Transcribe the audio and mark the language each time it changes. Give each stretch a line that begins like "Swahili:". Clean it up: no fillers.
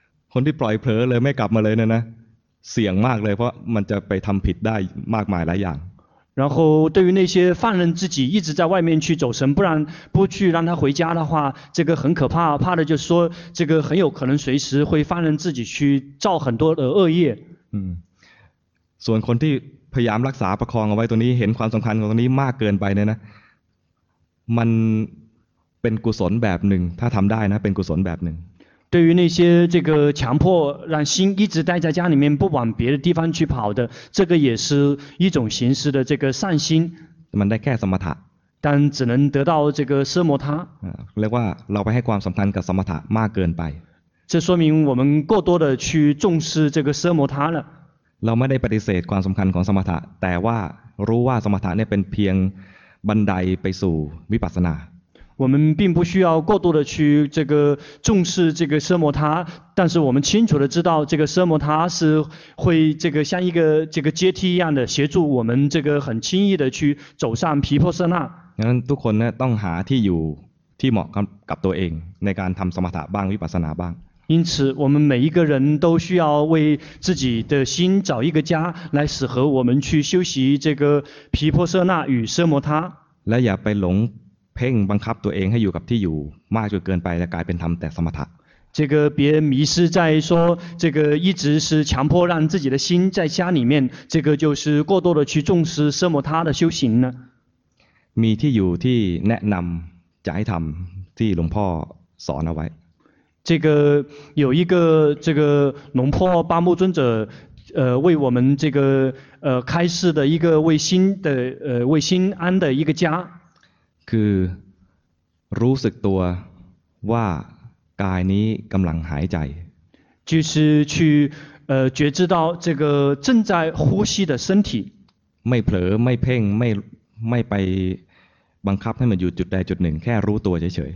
Thai: คนที่ปล่อยเผลอเลยไม่กลับมาเลยเนี่ยนะเสี่ยงมากเลยเพราะมันจะไปทำผิดได้มากมายหลายอย่าง。
Chinese: 然后对于那些犯人自己一直在外面去走神，不然不去让他回家的话，这个很可怕，怕的就是说这个很有可能随时会犯人自己去造很多的恶业。
Thai: ส่วนคนที่พยายามรักษาประคองเอาไว้ตรงนี้เห็นความสำคัญของตรงนี้มากเกินไปเนี่ยนะมันเป็นกุศลแบบหนึ่งถ้าทำได้นะเป็นกุศลแบบหนึ่ง。
Chinese: 对于那些这个强迫让心一直待在家里面不往别的地方去跑的，这个也是一种形式的这个善心。
Thai: มันได้แค่สมถะ。
Chinese: 但只能得到这个奢摩他。
Thai: เรียกว่าเราไปให้ความสำคัญกับสมถะมากเกินไป。
Chinese: 这说明我们过多的去重视这个奢摩他了。
Thai: เราไม่ได้ปฏิเสธความสำคัญของสมถะแต่ว่ารู้ว่าสมถะเนี่ยเป็นเพียงบันไดไปสู่วิปัสสนา วันไม่ต้องใช้
Chinese: 过多的去这个重视这个奢摩他，但是我们清楚的知道这个奢摩他是会这个像一个这个阶梯一样的协助我们这个很轻易的去走上毗婆舍那。
Thai: งั้นทุกคนเนี่ยต้องหาที่อยู่ที่เหมาะกับตัวเองในการทำสมถะบ้างวิปัสสนาบ้าง。
Chinese: 因此我们每一个人都需要为自己的心找一个家来适合我们去修习这个毗婆舍那与奢摩他。
Thai: และอย่าไปหลงเพ่งบังคับตัวเองให้อยู่กับที่อยู่มากจนเกินไปจะกลายเป็นทำแต่สมถะ
Chinese: 这个别迷失在说这个一直是强迫让自己的心在家里面，这个就是过多的去重视奢摩他的修行呢。
Thai: มีที่อยู่ที่แนะนำจะให้ทำที่หลวงพ่อสอนเอาไว้
Chinese: 这个有一个这个龙破八木尊者为我们这个开示的一个为心的为心安的一个家。
Thai: คือรู้สึกตัวว่ากายนี้กำลังหายใจ
Chinese: 就是去觉知到这个正在呼吸的身体
Thai: ไม่เผลอไม่เพ่งไม่ไปบังคับให้มันอยู่จุดใดจุดหนึ่งแค่รู้ตัวเฉย